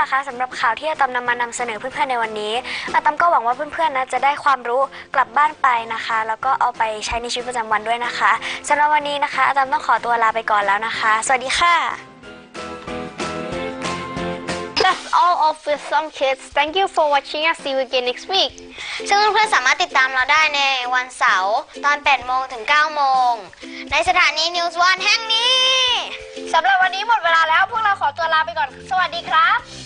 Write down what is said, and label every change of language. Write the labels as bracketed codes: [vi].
[th] สำหรับข่าวที่อาตอมนำมานำเสนอเพื่อนๆในวันนี้อาตอมก็หวังว่าเพื่อนๆนะจะได้ความรู้กลับบ้านไปนะคะแล้วก็เอาไปใช้ในชีวิตประจำวันด้วยนะคะสำหรับวันนี้นะคะอาตอมต้องขอตัวลาไปก่อนแล้วนะคะสวัสดีค่ะ [en] That's all of with some kids thank you for watching us see you again next week [th] ซึ่งเพื่อนๆสามารถติดตามเราได้ในวันเสาร์ตอน8โมงถึง9โมงในสถานี News One แห่งนี้ สำหรับวันนี้หมดเวลาแล้วพวกเราขอตัวลาไปก่อนสวัสดีครับ